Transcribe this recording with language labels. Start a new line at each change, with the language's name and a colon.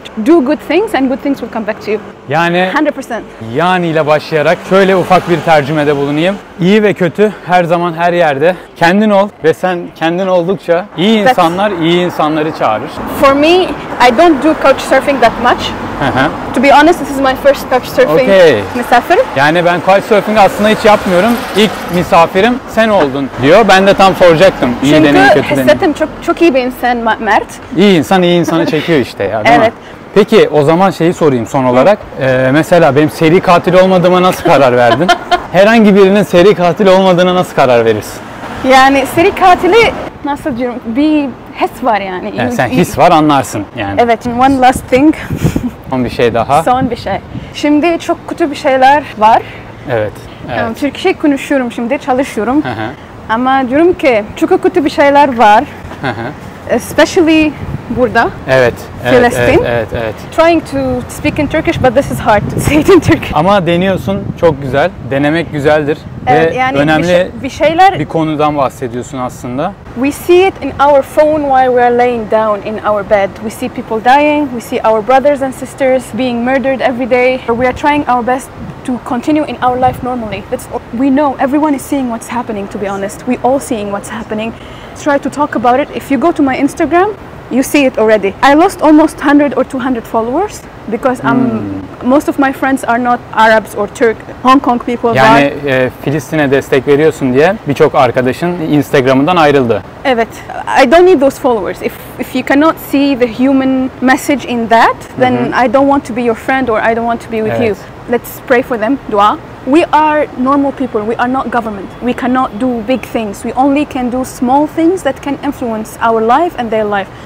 English: Do good things and good things will come back to you.
Turkish: Yani 100%. Yani ile başlayarak şöyle ufak bir tercümede bulunayım. İyi ve kötü her zaman her yerde. Kendin ol ve sen kendin oldukça iyi insanlar iyi insanları çağırır.
English: For me, I don't do couch surfing that much. Uh-huh. To be honest, this is my first couch surfing okay.
Turkish: misafir. Yani ben couch surfing aslında hiç yapmıyorum. İlk misafirim sen oldun diyor. Ben de tam soracaktım. İyi çünkü deneyim, kötü hissettim deneyim. Çok çok iyi bir insan Mert. İyi insan iyi insanı çekiyor işte ya. Evet. Mi? Peki o zaman şeyi sorayım son olarak. Mesela benim seri katil olmadığıma nasıl karar verdin? Herhangi birinin seri katil olmadığına nasıl karar verirsin? Yani seri katili nasıl diyorum? Bir his var yani. Yani sen his var anlarsın yani. Evet.
English: One last thing.
Turkish: Son bir şey daha. Son bir şey. Şimdi çok kötü bir şeyler var. Evet. Evet. Türkçe konuşuyorum şimdi, çalışıyorum. Hı-hı. Ama diyorum ki çok kötü bir şeyler var. Hı-hı.
English: Especially...
Turkish: Burada. Evet. Filistin. Evet, evet, evet.
English: Trying to speak in Turkish but this is hard to say it in Turkish.
Turkish: Ama deniyorsun çok güzel. Denemek güzeldir. Evet, ve yani önemli bir şeyler bir konudan bahsediyorsun aslında.
English: We see it in our phone while we are laying down in our bed. We see people dying. We see our brothers and sisters being murdered every day. We are trying our best to continue in our life normally. That's we know everyone is seeing what's happening to be honest. We all seeing what's happening. Try to talk about it. If you go to my Instagram, you see it already. I lost almost 100 or 200 followers because I'm most of my friends are not Arabs or Turk, Hong Kong people.
Turkish: Yani Filistin'e destek veriyorsun diye birçok arkadaşın Instagram'dan ayrıldı. Evet.
English: I don't need those followers. If you cannot see the human message in that, then I don't want to be your friend or I don't want to be with you. Let's pray for them. Dua. We are normal people. We are not government. We cannot do big things. We only can do small things that can influence our life and their life.